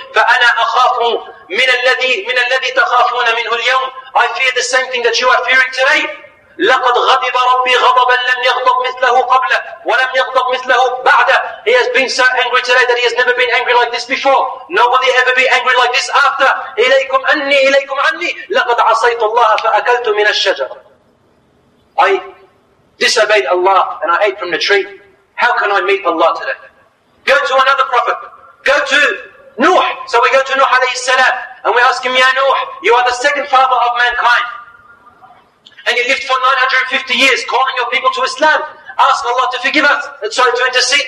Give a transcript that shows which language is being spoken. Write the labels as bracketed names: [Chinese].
[Arabic] فَأَنَا أَخَافُ مِنَ الَّذِي تَخَافُونَ مِنْهُ الْيَوْمِ, [English] I fear the same thing that you are fearing today. [Arabic] لَقَدْ غَضِبَ رَبِّي غَضَبًا لَمْ يَغْضَبْ مِثْلَهُ قَبْلَ وَلَمْ يَغْضَبْ مِثْلَهُ بَعْدَ, [English] he has been so angry today that he has never been angry like this before. Nobody ever be angry like this after. [Arabic] إِلَيْكُمْ أَنِّي إِلَيْكُمْ أَنِّي لَقَدْ عَصَيْتُ اللَّهَ فَأَكَلْتُ مِنَ الشَّجَرَ, [English] I disobeyed Allah and I ate from the tree. How can I meet Allah today? Go to another prophet. Go to Nuh. So we go to Nuh alayhi salam and we ask him, Ya Nuh, you are the second father of mankind. And you lived for 950 years calling your people to Islam. Ask Allah to forgive us. Sorry, to intercede.